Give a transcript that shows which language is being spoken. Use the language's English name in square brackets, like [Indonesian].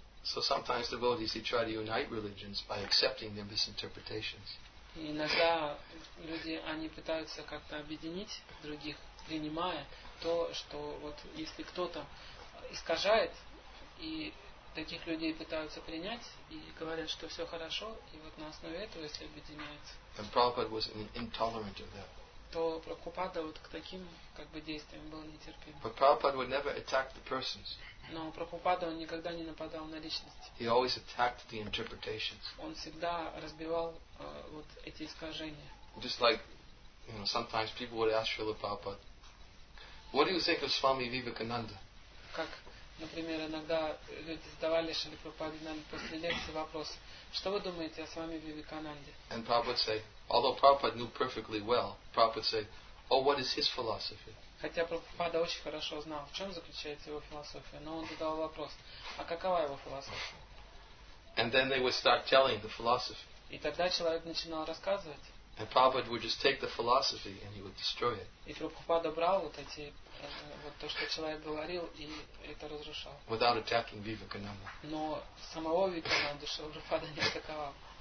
[English] So sometimes devotees, they try to unite religions by accepting their misinterpretations. [Russian] И иногда люди, они пытаются как-то объединить других, принимая то, что вот если кто-то искажает, и таких людей пытаются принять и говорят, что все хорошо, и вот на основе этого, если объединяются. [English] And Prabhupada was intolerant of that. [Russian] То Прабхупада вот к таким как бы действиям был нетерпим. [English] But Prabhupada would never attack the persons. [Russian] Но Прабхупада он никогда не нападал на личности. [English] He always attacked the interpretations. [Russian] Он всегда разбивал вот эти искажения. [English] Just like, you know, sometimes people would ask Srila Prabhupada, what do you think of Swami Vivekananda? [Russian] Как, например, иногда люди задавали Шри Прабхупаде после лекции вопрос, что вы думаете о Свами Вивекананде? [English] And Prabhupada say, although Prabhupada knew perfectly well, Prabhupada say, oh, what is his philosophy? [Russian] Хотя Прабхупада очень хорошо знал, в чем заключается его философия, но он задал вопрос, а какова его философия? [English] And then they would start telling the philosophy. [Russian] И тогда человек начинал рассказывать. [English] And Prabhupada would just take the philosophy and he would destroy it. [Russian] И Прабхупада брал вот эти вот то, что человек говорил, и это разрушал. [English] Without attacking Vivekananda. [Russian] Но самого Вивекананду Прабхупада не атаковал.